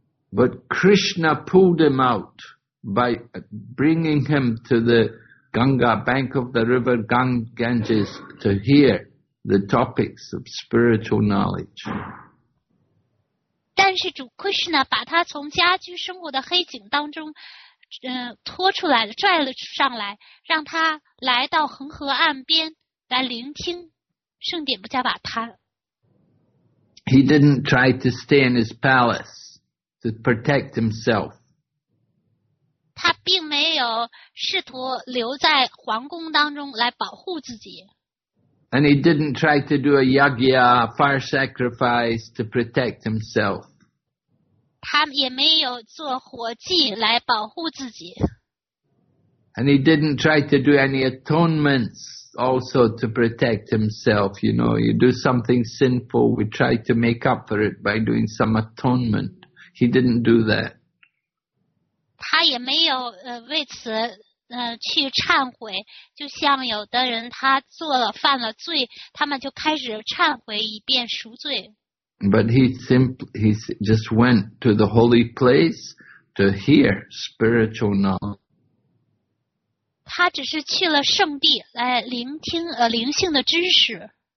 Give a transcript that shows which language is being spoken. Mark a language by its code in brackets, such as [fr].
[en] But Krishna pulled him out by bringing him to the Ganga, bank of the river Ganges, to hear the topics of spiritual knowledge. [zh] 但是主 Krishna 把他从家居生活的黑井当中，拖出来了，拽了上来，让他来到恒河岸边来聆听。圣典不加把他。 [en] He didn't try to stay in his palace to protect himself. [zh] 他并没有试图留在皇宫当中来保护自己。 [en] And he didn't try to do a yagya, fire sacrifice to protect himself. [zh] 他也没有做火祭来保护自己。 [en] And he didn't try to do any atonements also to protect himself. You know, you do something sinful, we try to make up for it by doing some atonement. He didn't do that. [zh] 他也没有为此去忏悔，就像有的人他做了犯了罪，他们就开始忏悔以便赎罪。 [en] But he just went to the holy place to hear spiritual knowledge. [zh] 他只是去了圣地来聆听灵性的知识。